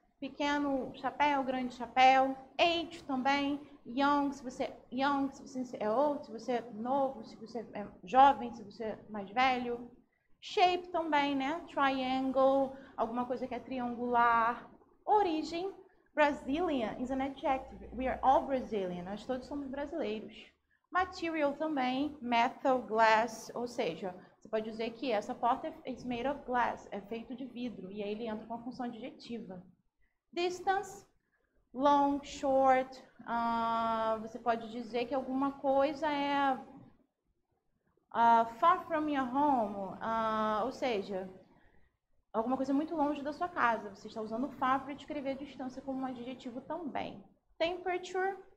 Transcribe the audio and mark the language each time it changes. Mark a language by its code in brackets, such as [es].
[pt] Pequeno chapéu, grande chapéu, age também, young, se você é old, se você é novo, se você é jovem, se você é mais velho. Shape também, né? Triangle, alguma coisa que é triangular. [en] Origem, Brazilian is an adjective. We are all Brazilian, [pt] nós todos somos brasileiros. Material também, metal, glass, ou seja, você pode dizer que essa porta [en] is made of glass, [pt] é feito de vidro, e aí ele entra com a função adjetiva. Distance, long, short, você pode dizer que alguma coisa é [en] far from your home, [pt] ou seja, alguma coisa muito longe da sua casa. Você está usando far para descrever a distância como um adjetivo também. Temperature,